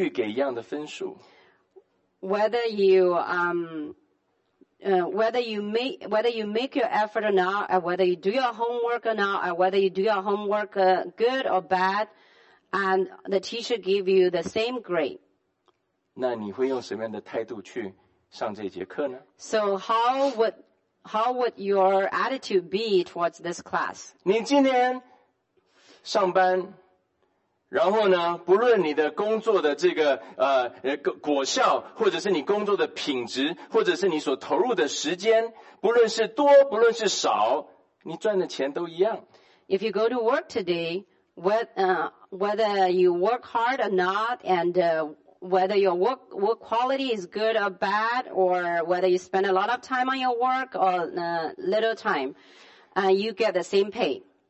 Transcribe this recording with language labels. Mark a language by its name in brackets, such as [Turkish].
[Chinese] 如果你用功也好，不用功也好，如果你交作业也好，不交作业也好，如果你的作业品质是高的或作业品质是低的，老师都一律给一样的分数。 [English] Whether you make your effort or not, or whether you do your homework or not, or whether you do your homework good or bad, and the teacher give you the same grade. [Chinese] 那你会用什么样的态度去？上这节课呢? [English] So how would your attitude be towards this class? [Chinese] 你今天上班，然后呢，不论你的工作的这个果效，或者是你工作的品质，或者是你所投入的时间，不论是多，不论是少，你赚的钱都一样。 [English] If you go to work today, whether you work hard or not, and whether your work quality is good or bad, or whether you spend a lot of time on your work or little time, you get the same pay.